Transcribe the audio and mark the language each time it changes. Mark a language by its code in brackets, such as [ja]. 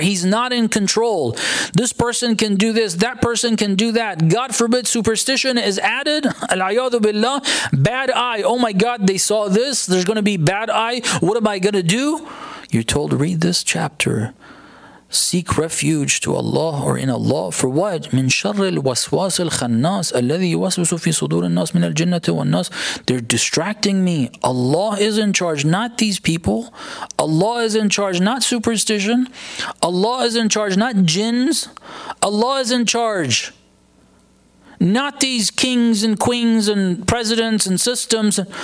[en] He's not in control. This person can do this. That person can do that. God forbid superstition is added. Al-ayadu billah. Bad eye. Oh my God, they saw this. There's going to be bad eye. What am I going to do? You're told, read this chapter. Seek refuge to Allah or in Allah. For what? [ar] من شر الوسواس الخناس الذي يوسوس في صدور الناس من الجنة والناس. [en] They're distracting me. Allah is in charge, not these people. Allah is in charge, not superstition. Allah is in charge, not jinns. Allah is in charge, not these kings and queens and presidents and systems.